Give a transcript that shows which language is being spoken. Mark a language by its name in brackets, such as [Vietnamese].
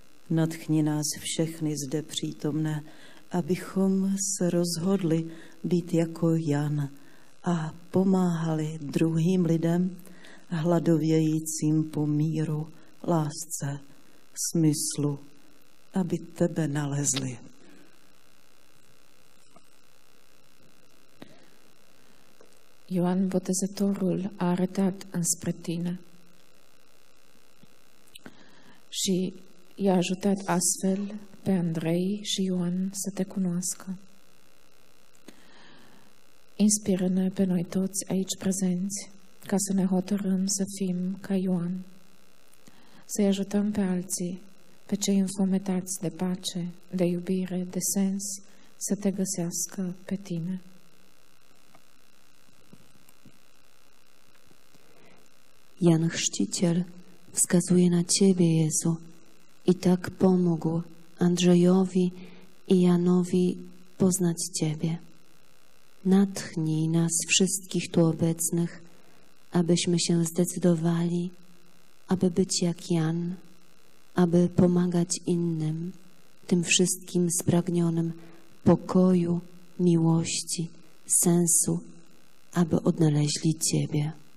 [Czech] Natchni nás všechny zde přítomné, abychom se rozhodli být jako Jan a pomáhali druhým lidem, hladovějícím po míru, lásce, smyslu, aby tebe nalezli. [Romanian] Ioan Botezătorul a arătat înspre tine și i-a ajutat astfel pe Andrei și Ioan să te cunoască. Inspiră-ne pe noi toți aici prezenți ca să ne hotărâm să fim ca Ioan, să-i ajutăm pe alții, pe cei înfometați de pace, de iubire, de sens, să te găsească pe tine. [Polish] Jan Chrzciciel wskazuje na Ciebie, Jezu, i tak pomógł Andrzejowi i Janowi poznać Ciebie. Natchnij nas wszystkich tu obecnych, abyśmy się zdecydowali, aby być jak Jan, aby pomagać innym, tym wszystkim spragnionym pokoju, miłości, sensu, aby odnaleźli Ciebie.